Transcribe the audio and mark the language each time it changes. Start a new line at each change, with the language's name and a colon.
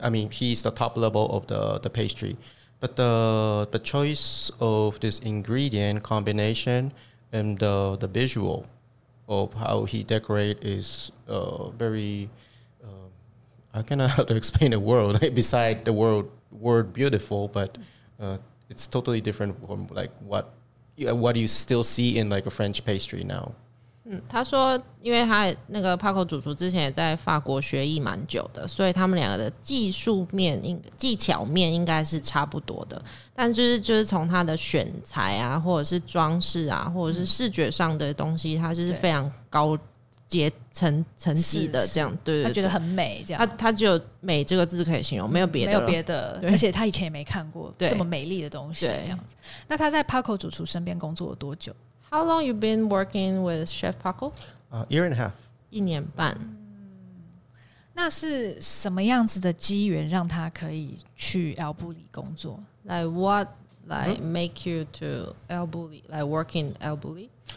English: I mean, he's the top level of the pastry, but the choice of this ingredient combination and the visual. Of how he decorate is very, I cannot how to explain the word, like, beside the word beautiful, but it's totally different from like what do you still see in like a French pastry now.
Chinese: 他说因为他那个 Paco 主厨之前也在法国学艺蛮久的，所以他们两个的技巧面应该是差不多的，但就是从他的选材啊，或者是装饰啊，或者是视觉上的东西，他就是非常高阶层级的，这样。对, 對, 對，他觉得很美，这样。他只有美这个字可以形容，没有别的，没有别的，而且他以前也没看过这么美丽的东西，这样子。那他在 Paco 主厨身边工作了多久？
English: How long you been working with Chef Paco? A year and a half.
Chinese: 一年半、嗯、那是什么样子的机缘让他可以去 El Bulli 工作
English: Like what like make you to El Bulli like work in El Bulli